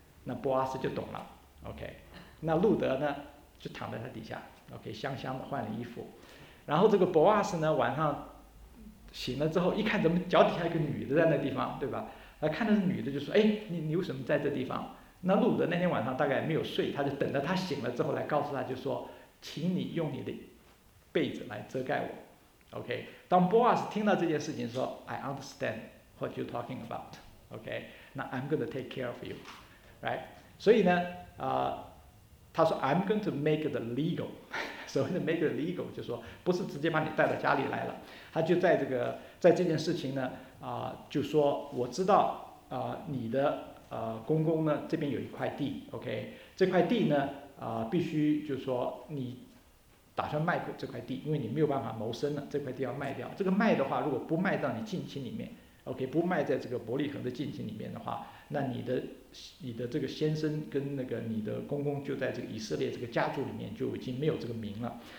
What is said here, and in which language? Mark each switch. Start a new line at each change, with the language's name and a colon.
Chinese: 那 Boaz 就懂了 ，OK， 那路德呢？就躺在他底下 ，OK， 香香的换了衣服，然后这个博瓦斯呢，晚上醒了之后一看，怎么脚底下一个女的在那地方，对吧？他看的是女的，就说：“哎，你为什么在这地方？” 那路德那天晚上大概没有睡，他就等着他醒了之后来告诉他，就说：“请你用你的被子来遮盖我
English: OK，
Chinese: 当 Boaz 听到这件事情说
English: I understand what you're talking about， OK， 那 I'm going to take care of you， right？
Chinese: 所以呢、他说
English: I'm going to make it legal，
Chinese: 所谓的 make it legal 就说不是直接把你带到家里来了，他就在这个在这件事情呢、就说我知道、你的、公公呢这边有一块地， OK， 这块地呢、必须就是说你打算卖这块地，因为你没有办法谋生了，这块地要卖掉，这个卖的话如果不卖到你近亲里面， OK， 不卖在这个伯利恒的近亲里面的话，那你的这个先生跟那个你的公公就在这个以色列这个家族里面就已经没有这个名了。